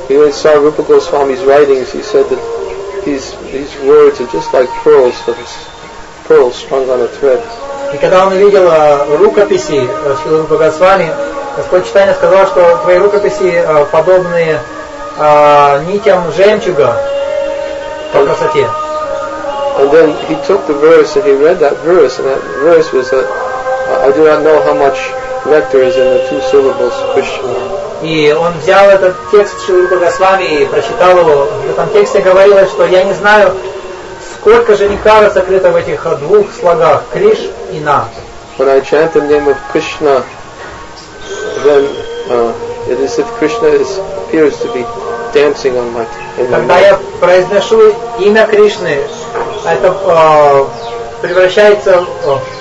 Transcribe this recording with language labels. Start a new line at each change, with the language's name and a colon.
English: He when he saw Rupa Goswami's writings, he said that his words are just like pearls strung on a thread.
Russian: И когда он увидел рукописи Шрилы Рупы Госвами, Господь Чайтанья сказал, что твои рукописи подобные нитям жемчуга по красоте.
English: And then he took the verse and he read that verse, and that verse was that I do not know how much nectar is in the two syllables Krishna.
Russian: И он взял этот текст Шрилы Рупы Госвами и прочитал его. В этом тексте говорилось, что я не знаю, сколько же нектара сокрыто в этих двух слогах Криш и На.
English: When I chant the name of Krishna, then it is as if Krishna appears to be dancing on my tongue.
Russian: Когда я произношу имя Кришны, это превращается в